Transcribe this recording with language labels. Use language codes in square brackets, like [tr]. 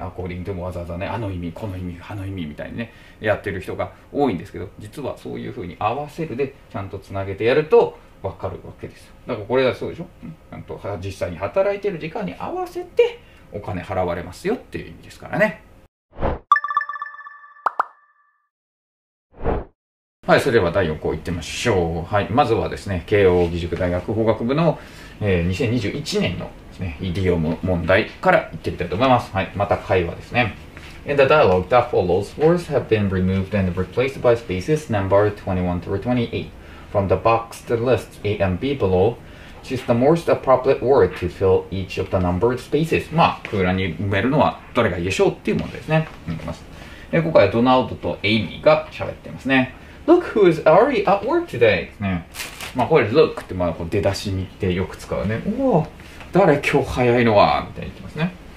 [ja] according でもわざわざね、あの意味、この意味、あの意味みたいにね、やってる人が多いんですけど、実はそういうふうに合わせるでちゃんとつなげてやるとわかるわけですよ。だからこれはそうでしょ、ちゃんと実際に働いてる時間に合わせてお金払われますよっていう意味ですからね。はい、それでは第4項いってみましょう。はい、まずはですね、慶応義塾大学法学部の、2021年のですね、イディオム問題からいってみたいと思います。はい、また会話ですね。 [en] In the dialogue that follows, words have been removed and replaced by spaces number 21 through 28 from the boxed list A and B below. Choose the most appropriate word to fill each of the numbered spaces. [ja] まあ、空欄に埋めるのはどれがいいでしょうっていう問題ですね。見てます。で、今回はドナルドとエイミーが喋ってますね。 [en] Look who is already at work today.、 [ja] ね、まあ、これ look ってまあこう出だしにってよく使うね。おお、誰今日早いのはみたいに言ってますね。